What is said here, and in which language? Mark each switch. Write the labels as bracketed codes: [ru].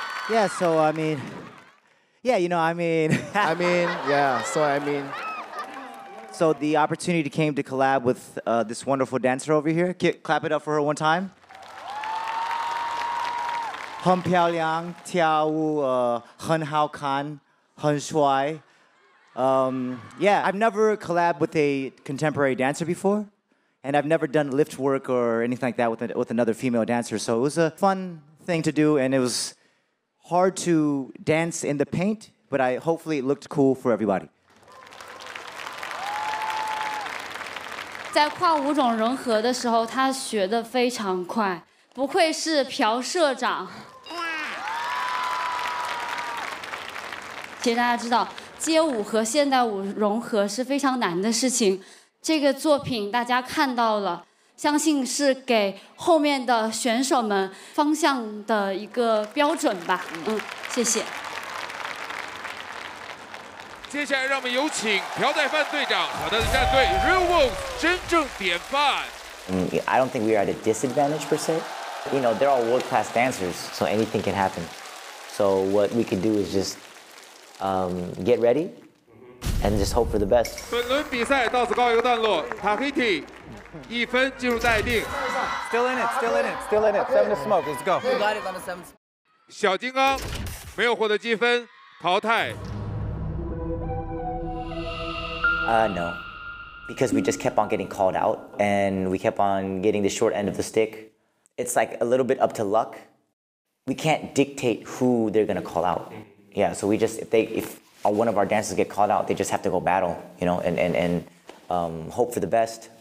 [en] Yeah, so I mean, yeah, you know, I mean, I mean, yeah, so I mean, so the opportunity came to collab with this wonderful dancer over here. Clap it up for her one time. [zh] 很漂亮，跳舞很好看，很帅。 [en] I've never collabed with a contemporary dancer before, and I've never done lift work or anything like that with another female dancer, so it was a fun thing to do, and it was hard to dance in the paint, but hopefully it looked cool for everybody. [zh] 在跨舞种融合的时候，他学得非常快，不愧是朴社长。其实大家知道街舞和现代舞融合是非常难的事情，这个作品大家看到了，相信是给后面的选手们方向的一个标准吧。谢谢。接下来让我们有请朴宰范队长和他的战队 Real Wolves 真正典范。 [en] I don't think we are at a disadvantage per se. You know, they're all world class dancers, so anything can happen. So what we can do is just. Get ready and just hope for the best. [zh] 本轮比赛到此告一个段落。 Tahiti, 一分进入待定。 [en] Still in it, still in it, still in it. Seven to smoke, let's go. We got it on the seven. [zh] 小金刚没有获得积分，淘汰。 [en] No. because we just kept on getting called out and we kept on getting the short end of the stick. It's like a little bit up to luck. We can't dictate who they're gonna call out. Yeah, so we just, if one of our dancers get called out, they just have to go battle, you know, and hope for the best.